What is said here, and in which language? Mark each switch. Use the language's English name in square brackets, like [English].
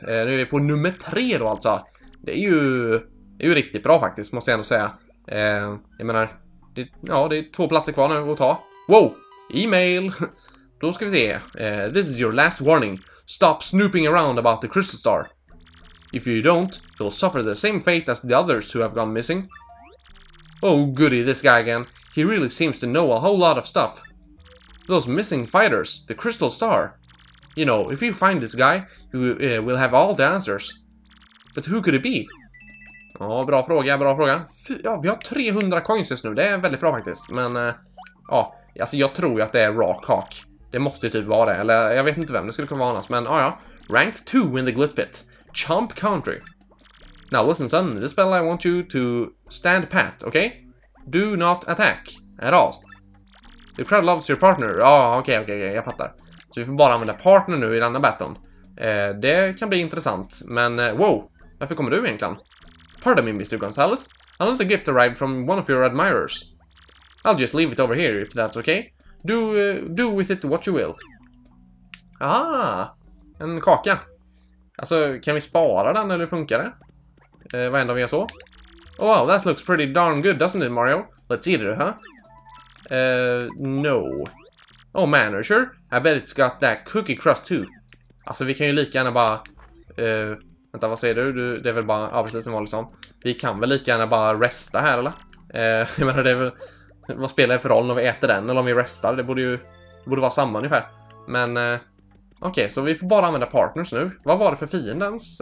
[Swedish] Nu är vi på nummer 3 då, alltså. Det är ju riktigt bra faktiskt, måste jag ändå säga. Jag menar, det är 2 platser kvar nu att ta. Wow, email. Då ska vi se. [English] This is your last warning. Stop snooping around about the crystal star. If you don't, you'll suffer the same fate as the others who have gone missing. Oh goody, this guy again. He really seems to know a whole lot of stuff. Those missing fighters, the crystal star. You know, if you find this guy, you will have all the answers. But who could it be? [Swedish] Ja, bra fråga. Ja, vi har 300 coins just nu, det är väldigt bra faktiskt. Men, alltså jag tror ju att det är Rockhawk. Det måste ju typ vara det, eller jag vet inte vem det skulle kunna vara annars, men ja. [English] Ranked 2 in the Glitpit, Chump Country. Now listen son, this battle I want you to stand pat, okay? Do not attack, at all. The crowd loves your partner. [Swedish] Ja, okej, jag fattar. Så vi får bara använda partner nu i denna battle. Det kan bli intressant, men wow, varför kommer du egentligen? [English] Pardon me, Mr. Gonzales. Another gift arrived from one of your admirers. I'll just leave it over here, if that's okay. Do with it what you will. Ah, [Swedish] en kaka. Alltså, kan vi spara den eller funkar det? Vad händer om vi gör så? [English] Oh, wow, that looks pretty darn good, doesn't it, Mario? Let's eat it, huh? No. Oh, manager, I bet it's got that cookie crust too. [Swedish] Alltså, vi kan ju lika gärna bara... Vänta, vad säger du? Det är väl bara avslutning som vanligt. Vi kan väl lika gärna bara resta här, eller? Jag menar, det är väl... Vad spelar det för roll om vi äter den, eller om vi restar? Det borde vara samma ungefär. Men, okej, så vi får bara använda partners nu. Vad var det för fiendens?